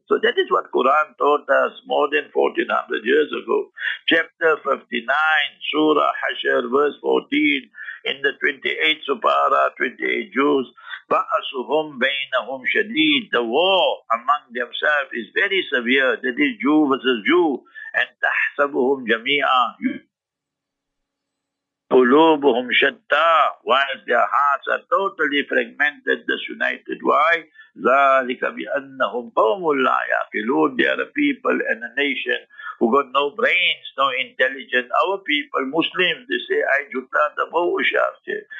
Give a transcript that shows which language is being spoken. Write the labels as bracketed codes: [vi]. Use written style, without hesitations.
[en] So that is what Quran taught us more than 1400 years ago. Chapter 59, Surah Hashr, verse 14, in the 28th Supara, 28 Jews, [ar] بَأَسُهُمْ بَيْنَهُمْ شَدِيدٌ. [en] The war among themselves is very severe. That is Jew versus Jew. [ar] And تَحْسَبُهُمْ جَمِيعًا قُلُوبُهُمْ شَدَّى. [en] While their hearts are totally fragmented, disunited. [ar] Why? ذَلِكَ بِأَنَّهُمْ قَوْمٌ لَا يَعْقِلُونَ. [en] They are a people and a nation who got no brains, no intelligence. Our people, Muslims, they say, I jutta the bo'ushafte.